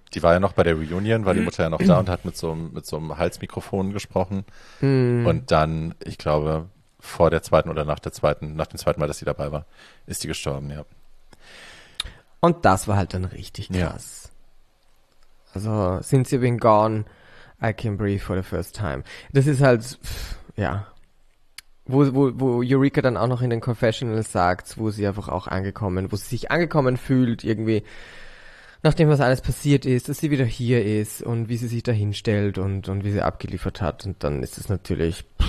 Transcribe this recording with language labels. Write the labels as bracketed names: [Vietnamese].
[German] Die war ja noch bei der Reunion, war die Mutter ja noch da und hat mit so einem Halsmikrofon gesprochen. Und dann, ich glaube, vor der zweiten oder nach dem zweiten Mal, dass sie dabei war, ist die gestorben, ja. Und das war halt dann richtig krass. Ja. [English] Also, since you've been gone, I can breathe for the first time. [German] Das ist halt, wo Eureka dann auch noch in den Confessionals sagt, wo sie einfach auch angekommen, wo sie sich angekommen fühlt, irgendwie, nachdem was alles passiert ist, dass sie wieder hier ist und wie sie sich da hinstellt und wie sie abgeliefert hat. Und dann ist es natürlich,